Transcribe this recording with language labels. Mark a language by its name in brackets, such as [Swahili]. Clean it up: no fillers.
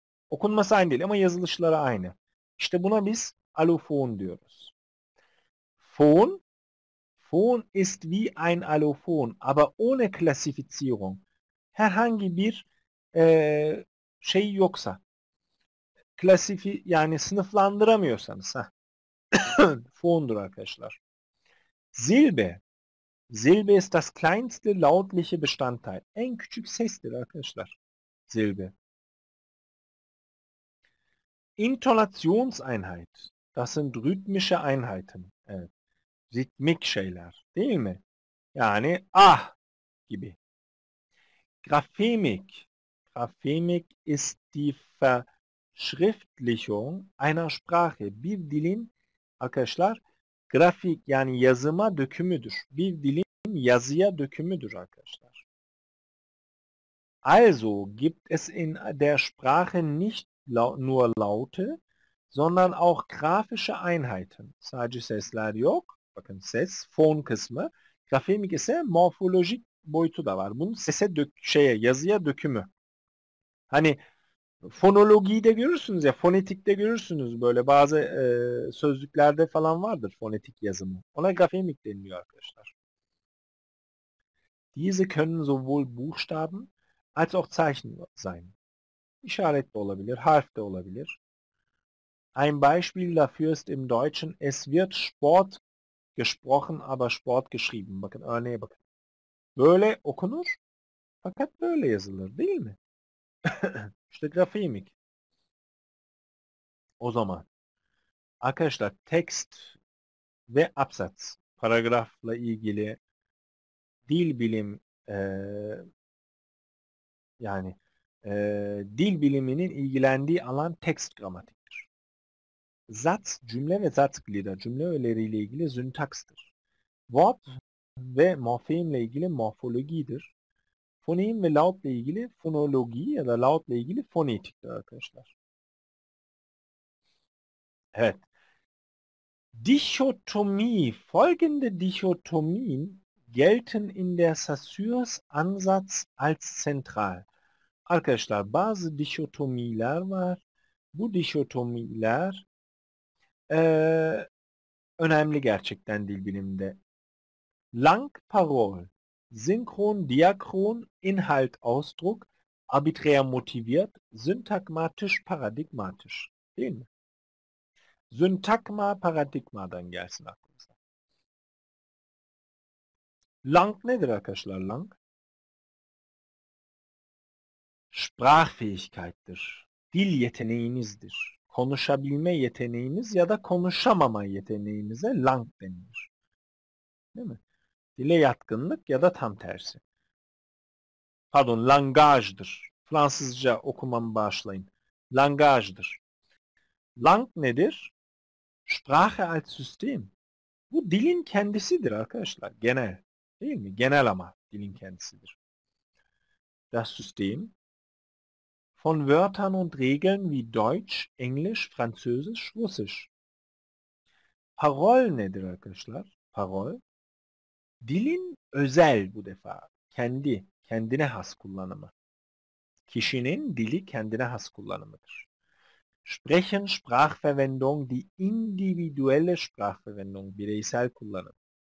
[Turkish] Okunması aynı değil ama yazılışları aynı. İşte buna biz alofon diyoruz. [German] Fon, fon ist wie ein Allophon, aber ohne Klassifizierung. [Turkish] Herhangi bir şey yoksa, yani sınıflandıramıyorsanız, fondur arkadaşlar. [German] Silbe, silbe ist das kleinste lautliche Bestandteil. [Turkish] En küçük sestir arkadaşlar, silbe. [German] Intonationseinheit, das sind rhythmische Einheiten. [Turkish] Evet. Ritmik şeyler, değil mi? Yani ah gibi. [German] Graphemik. Graphemik ist die Verschriftlichung einer Sprache. [Turkish] Bir dilin arkadaşlar grafik yani yazıma dökümüdür. Bir dilin yazıya dökümüdür arkadaşlar. [German] Also gibt es in der Sprache nicht nur Laute, sondern auch grafische Einheiten. [Turkish] Sadece sesler yok. Bakın ses, fon kısmı. Grafemik ise morfolojik boyutu da var. Bunun sese dök şeye, yazıya dökümü. Hani fonolojiyi de görürsünüz ya, fonetikte görürsünüz böyle bazı sözlüklerde falan vardır fonetik yazımı. Ona grafemik deniliyor arkadaşlar. [German] Diese können sowohl Buchstaben als auch Zeichen sein. [Turkish] İşaret de olabilir, harf de olabilir. [German] Ein Beispiel dafür ist im Deutschen, es wird Sport gesprochen, aber Sport geschrieben. [Turkish] Bakın örneğe bakın. Böyle okunur, fakat böyle yazılır, değil mi? İşte grafemik. O zaman arkadaşlar text ve absatz, paragrafla ilgili dil bilim yani dil biliminin ilgilendiği alan text gramatiktir. Satz, cümle ve Satzglieder, cümle öğeleriyle ilgili syntax'tır. Wort ve morfemle ilgili morfologidir. Fonem ve lautla ilgili fonologi ya da lautla ilgili fonetiktir arkadaşlar. Evet. Dichotomie. [German] Folgende dichotomien gelten in der Saussures Ansatz als zentral. [Turkish] Arkadaşlar bazı dichotomiler var. Bu dichotomiler önemli gerçekten dil biliminde. Lang parol. [German] Synchron, diachron, Inhalt, Ausdruck, arbiträr motiviert, syntagmatisch, paradigmatisch. [Turkish] Değil mi? Syntagma, paradigmadan gelsin aklınıza. Lang nedir arkadaşlar? Lang? Sprachfähigkeittir. Dil yeteneğinizdir. Konuşabilme yeteneğiniz ya da konuşamama yeteneğinize lang denilir. Değil mi? Dile yatkınlık ya da tam tersi. Pardon, langajdır. Fransızca okumamı bağışlayın. Langajdır. Lang nedir? [German] Sprache als System. [Turkish] Bu dilin kendisidir arkadaşlar. Genel. Değil mi? Genel ama dilin kendisidir. [German] Das System. Von Wörtern und Regeln wie Deutsch, Englisch, Französisch, Russisch. [Turkish] Parol nedir arkadaşlar? Parol. Dilin özel bu defa, kendine has kullanımı. Kişinin dili kendine has kullanımıdır. [German] Sprechen, Sprachverwendung, die individuelle Sprachverwendung, [Turkish] bireysel kullanım.